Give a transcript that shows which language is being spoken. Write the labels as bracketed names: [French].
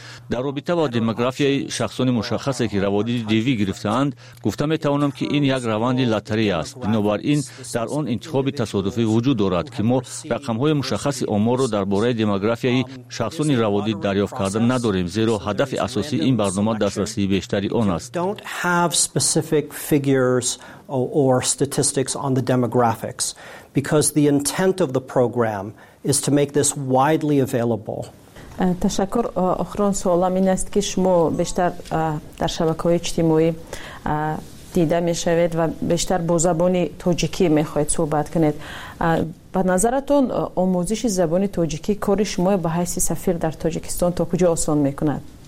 [Persian] در رابطه با دموگرافی شخصان مشخصی که روادید دیوی گرفتند گفته می توانم که این یک روند لاتری است، بنابراین در آن انتخاب تصادفی وجود دارد که ما رقم های مشخصی آمار را درباره دموگرافی شخصان روادید دریافت کرده نداریم، زیرا هدف اساسی این برنامه دسترسی بیشتر [English] don't have specific figures or statistics on the demographics because the intent of the program is to make this widely available. [Persian] تشکر. اخران سوالم این است که شما بیشتر در شبکه‌های اجتماعی دیده می‌شوید و بیشتر با زبان تاجیکی می‌خواهید صحبت کنید. به نظرتون آموزش زبان تاجیکی کار شما به حیث سفیر در تاجیکستان تا کجا آسان می‌کند؟